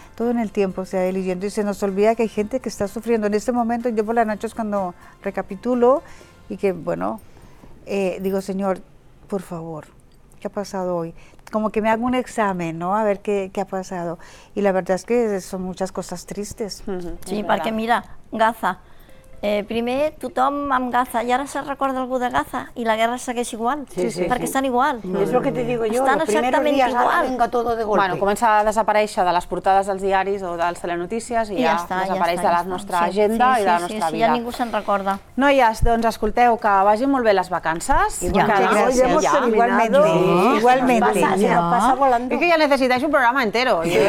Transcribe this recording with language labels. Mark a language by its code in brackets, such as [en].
[es] Todo en el tiempo se va diluyendo y se nos olvida que hay gente que está sufriendo. En este momento, yo por la noche es cuando recapitulo y que, bueno, digo, Señor, por favor, ¿qué ha pasado hoy? Como que me hago un examen, ¿no? A ver qué ha pasado. Y la verdad es que son muchas cosas tristes. Sí, porque mira, Gaza, [ca] Primer, tothom amb Gaza, i ara se recorda algú de Gaza, i la guerra segueix igual, perquè estan igual. És el que [es] te digo yo, los primeros días ara venga todo de golpe. [ca] Bueno, comença a desaparèixer de les portades dels diaris o dels telenotícies, i ja desapareix de la nostra agenda i de la nostra vida. Sí, ja ningú se'n recorda. Noies, doncs escolteu, que vagin molt bé les vacances. [es] Igualmente. Igualmente. [ca] És que ja necessiteix un programa entero.